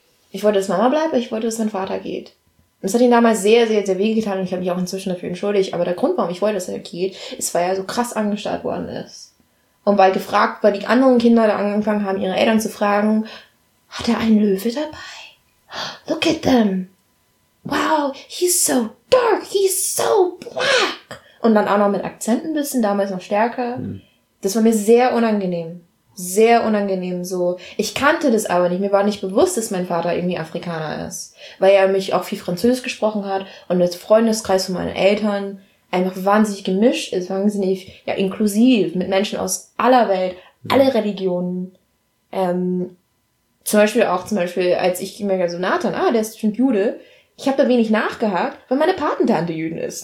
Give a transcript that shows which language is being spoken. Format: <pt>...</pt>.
<de>Ich wollte, dass Mama bleibt, ich wollte, dass mein Vater geht. Und es hat ihn damals sehr, sehr, sehr weh getan, und ich habe mich auch inzwischen dafür entschuldigt, aber der Grund, warum ich wollte, dass er geht, ist, weil er so krass angestarrt worden ist. Und weil die anderen Kinder da angefangen haben, ihre Eltern zu fragen, hat er einen Löwe dabei?</de> <en>Look at them! Wow, he's so dark, he's so black.</en> <de>Und dann auch noch mit Akzenten ein bisschen, damals noch stärker. Das war mir sehr unangenehm. Sehr unangenehm, so. Ich kannte das aber nicht. Mir war nicht bewusst, dass mein Vater irgendwie Afrikaner ist. Weil er mich auch viel Französisch gesprochen hat und das Freundeskreis von meinen Eltern einfach wahnsinnig gemischt ist, wahnsinnig, ja, inklusiv mit Menschen aus aller Welt, alle Religionen, zum Beispiel, als ich mir so Nathan, der ist bestimmt Jude, ich habe da wenig nachgehakt, weil meine Patentante Jüdin ist.</de>